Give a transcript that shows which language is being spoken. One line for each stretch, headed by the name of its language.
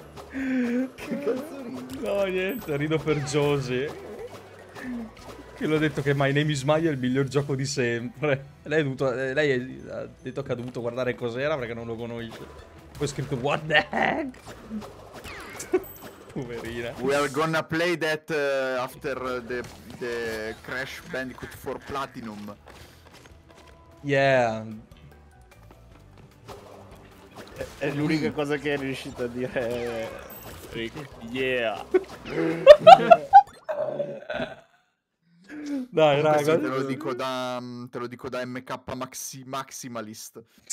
Italian: Che cazzo rido? No, niente, rido per Josie. Che l'ho detto che My Name is Mayo è il miglior gioco di sempre. Lei ha detto che ha dovuto guardare cos'era perché non lo conosce. Poi ha scritto
English: what the heck.
Italian: Poverina.
English: We are gonna play that after the Crash Bandicoot 4 Platinum. Yeah.
Italian: È l'unica cosa che è riuscito a dire.
English: Yeah.
Italian: Dai, raga. Te lo dico da MK Maximalist.